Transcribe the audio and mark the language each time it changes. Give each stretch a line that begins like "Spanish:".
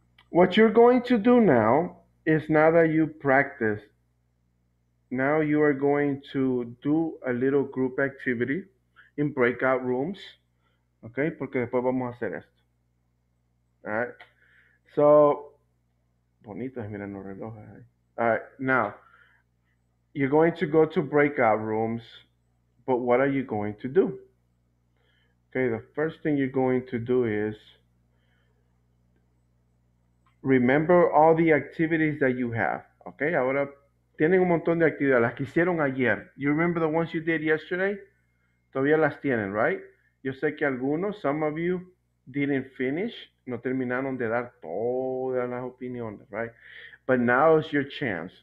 English: What you're going to do now is now that you practice, now you are going to do a little group activity in breakout rooms, okay?
Spanish: Porque después vamos a hacer esto,
English: all right?
Spanish: So, bonito, miren los relojes.
English: All right, now, you're going to go to breakout rooms, but what are you going to do? Okay, the first thing you're going to do is remember all the activities that you have, okay?
Spanish: Ahora, tienen un montón de actividades, las que hicieron ayer.
English: You remember the ones you did yesterday?
Spanish: Todavía las tienen,
English: right?
Spanish: Yo sé que algunos,
English: some of you, didn't finish,
Spanish: no terminaron de dar todas las opiniones, right?
English: But now is your chance.